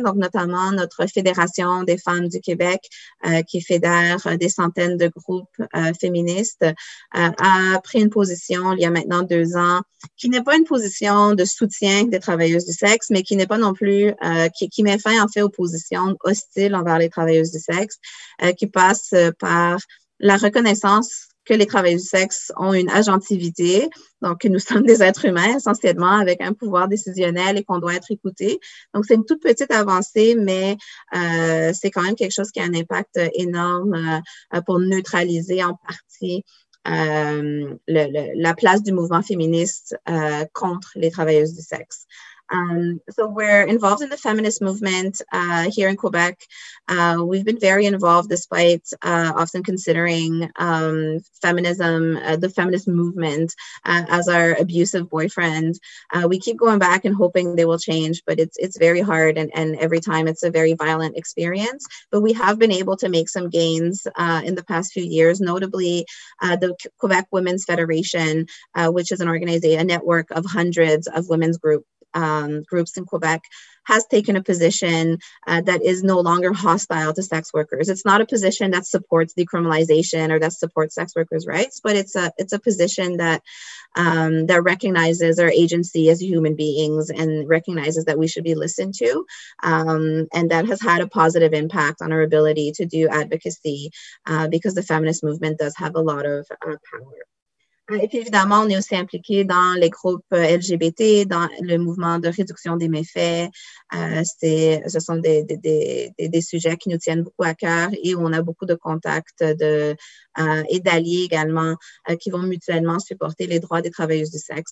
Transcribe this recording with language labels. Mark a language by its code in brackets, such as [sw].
[fr] Donc, notamment notre Fédération des femmes du Québec, qui fédère des centaines de groupes féministes, a pris une position il y a maintenant 2 ans, qui n'est pas une position de soutien des travailleuses du sexe, mais qui n'est pas non plus, qui met fin en fait aux positions hostiles envers les travailleuses du sexe, qui passe par la reconnaissance que les travailleurs du sexe ont une agentivité, donc que nous sommes des êtres humains essentiellement avec un pouvoir décisionnel et qu'on doit être écoutés. Donc, c'est une toute petite avancée, mais c'est quand même quelque chose qui a un impact énorme pour neutraliser en partie la place du mouvement féministe contre les travailleuses du sexe. [en] So we're involved in the feminist movement here in Quebec. We've been very involved despite often considering the feminist movement as our abusive boyfriend. We keep going back and hoping they will change, but it's very hard and every time it's a very violent experience. But we have been able to make some gains in the past few years, notably the Quebec Women's Federation, which is an organization, a network of hundreds of women's groups in Quebec, has taken a position that is no longer hostile to sex workers. It's not a position that supports decriminalization or that supports sex workers' rights, but it's a position that that recognizes our agency as human beings and recognizes that we should be listened to, and that has had a positive impact on our ability to do advocacy because the feminist movement does have a lot of power. [fr] Et puis, évidemment, on est aussi impliqué dans les groupes LGBT, dans le mouvement de réduction des méfaits. Ce sont des sujets qui nous tiennent beaucoup à cœur et où on a beaucoup de contacts et d'alliés également qui vont mutuellement supporter les droits des travailleuses du sexe.